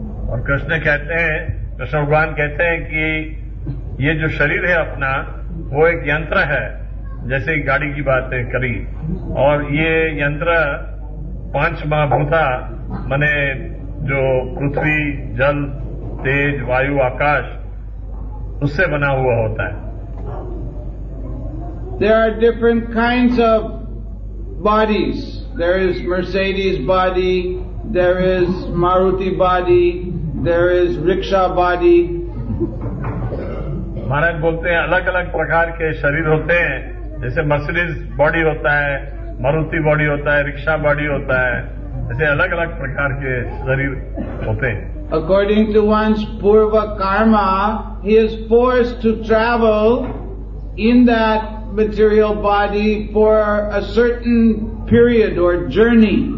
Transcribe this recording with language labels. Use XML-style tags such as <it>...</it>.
<hi>और कृष्ण कहते हैं, कृष्ण भगवान कहते हैं कि ये जो शरीर है अपना वो एक यंत्र है, जैसे गाड़ी की बात करी, और ये यंत्र पांच महाभूता माने जो पृथ्वी जल तेज वायु आकाश उससे बना हुआ होता है.</hi> <en>There are different kinds of bodies. There is Mercedes body, there is Maruti body, there is rickshaw body.</en> <hi>महाराज बोलते हैं अलग अलग प्रकार के शरीर होते हैं, जैसे मर्सिडीज बॉडी होता है, मारुति बॉडी होता है, रिक्शा बॉडी होता है, ऐसे अलग अलग प्रकार के शरीर होते हैं.</hi> <en>According to one's पूर्व karma he is forced to travel in that material body for a certain period और journey.</en>